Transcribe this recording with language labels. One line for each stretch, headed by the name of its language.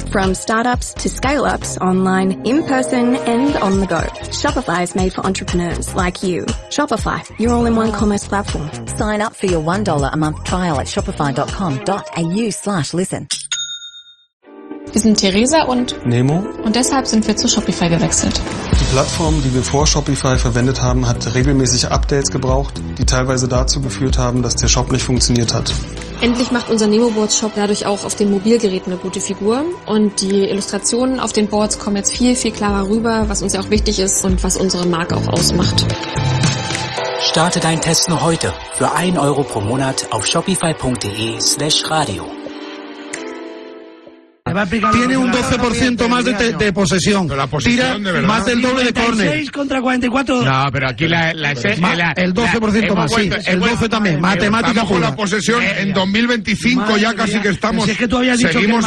English: From startups to scale-ups, online, in person, and on the go. Shopify is made for entrepreneurs like you. Shopify, your all-in-one commerce platform. Sign up for your $1 a month trial at shopify.com.au/listen.
German: Wir sind Theresa und Nemo und deshalb sind wir zu Shopify gewechselt. Die Plattform, die wir vor Shopify verwendet haben, hat regelmäßig Updates gebraucht, die teilweise dazu geführt haben, dass der Shop nicht funktioniert hat. Endlich macht unser Nemo-Boards-Shop dadurch auch auf den Mobilgeräten eine gute Figur und die Illustrationen auf den Boards kommen jetzt viel, viel klarer rüber, was uns ja auch wichtig ist und was unsere Marke auch ausmacht. Starte deinen Test noch heute für 1 Euro pro Monat auf shopify.de/radio.
Spanish: Tiene un 12% más de posesión. La posesión tira de verdad. Más del doble de córner. 6 contra 44. No, pero aquí el 12% más. Sí, el 12 también. Matemática pura. La posesión en 2025 ya casi que estamos. Si es que tú habías dicho seguimos